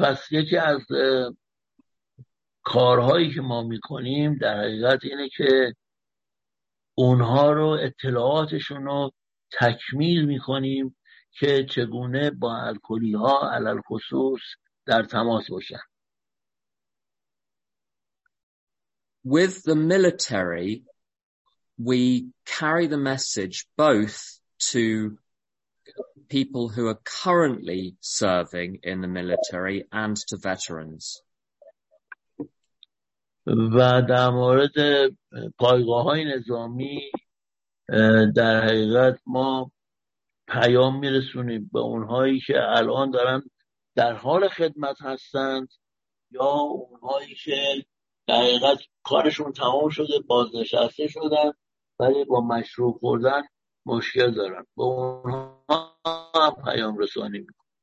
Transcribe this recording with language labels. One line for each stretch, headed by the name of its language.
Persian: یکی از کارهایی که ما میکنیم در حقیقت اینه که اونها رو اطلاعاتشون رو تکمیل می‌کنیم که چگونه با الکلی‌ها علل خصوص در تماس باشن.
English: With the military we carry the message both to people who are currently serving in the military and to veterans.
Persian: و در مورد پایگاه‌های نظامی در حقیقت ما پیام می‌رسونیم به اونهایی که الان دارن در حال خدمت هستند یا اونهایی که در حقیقت کارشون تمام شده بازنشسته شدن ولی با مشروب خوردن مشکل دارن به اونها پیام رسانی می‌کنیم.